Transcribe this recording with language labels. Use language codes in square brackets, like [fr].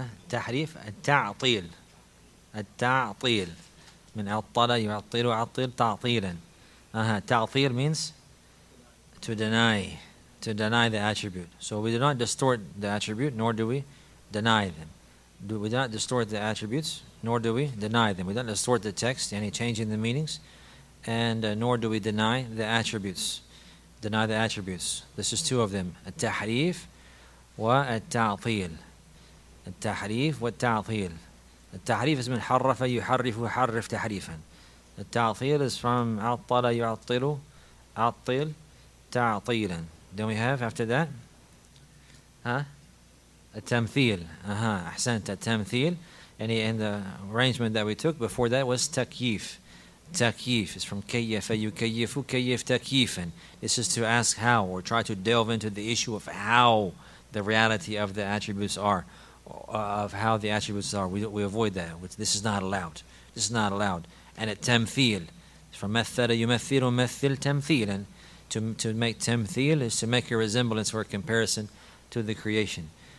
[ar] تحريف التعطيل التعطيل من عطل يعطل عطل تعطيلا تعطيل [en] means to deny the attribute. So we do not distort the attribute nor do we deny them. We do not distort the attributes nor do we deny them. We don't distort the text, any change in the meanings, and nor do we deny the attributes. Deny the attributes. This is two of them. [ar] التحريف والتعطيل. التحريف والتعطيل. التحريف is من حرف يحرف وحرف تحريفا. التعطيل is from عطل يعطل عطل تعطيلا. [en] Then we have after that التمثيل. [ar] أحسنت. [en] التمثيل يعني in the arrangement that we took before that was تكييف. [ar] تكييف is from كيف يكيف كيف تكييفا. [en] This is to ask how, or try to delve into the issue of how the reality of the attributes are. Of how the attributes are, we avoid that. This is not allowed. And at tamthil, from [ar] mathala yumathil mathil tamthil, [en] and to make tamthil is to make a resemblance or a comparison to the creation.